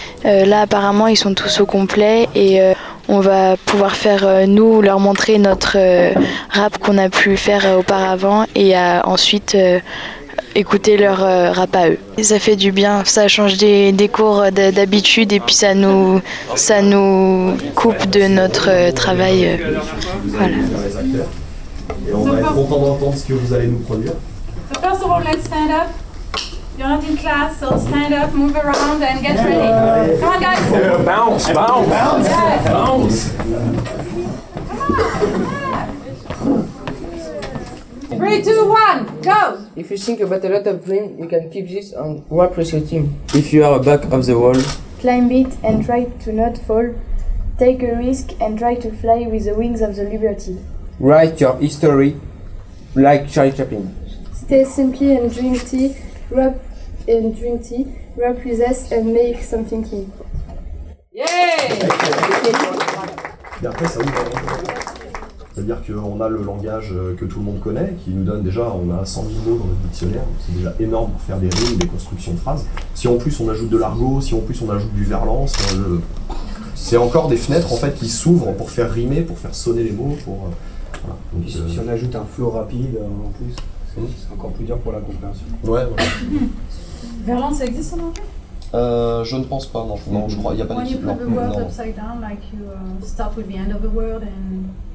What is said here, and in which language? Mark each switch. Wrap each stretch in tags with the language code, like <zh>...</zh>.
<fr>Là, apparemment, ils sont tous au complet et on va pouvoir faire, nous, leur montrer notre rap qu'on a pu faire auparavant et ensuite écouter leur rap à eux. Et ça fait du bien, ça change des cours d'habitude et puis ça nous coupe de notre travail. Voilà. Et on va être content d'entendre ce que vous allez nous produire.</fr> <en>So first of all, let's stand up. You're not in class, so stand up, move around and get ready. Come on, guys. Bounce, bounce, bounce, yes. Bounce. Come on, yeah. Three, two, one, go. If you think about a lot of dreams, you can keep this on one precious team. If you are back of the wall, climb it and try to not fall. Take a risk and try to fly with the wings of the liberty. Write your history like Charlie Chaplin. Stay simply and drink tea, rap and drink tea, rap with us and make some thinking. Yay!</en> <fr>Et après, ça ouvre. C'est-à-dire qu'on a le langage que tout le monde connaît, qui nous donne déjà, on a 100 000 mots dans notre dictionnaire, c'est déjà énorme pour faire des rimes, des constructions de phrases. Si en plus on ajoute de l'argot, si en plus on ajoute du verlan, c'est encore des fenêtres en fait qui s'ouvrent pour faire rimer, pour faire sonner les mots, pour. Voilà. Donc, si on ajoute un flow rapide en plus, c'est encore plus dur pour la compréhension. Ouais, ouais. Verlan, ça existe en anglais ? Je ne pense pas, non, je crois, il n'y a pas d'équivalent.</fr> <en>When you put the words upside down, like you start with the end of the word and.</en>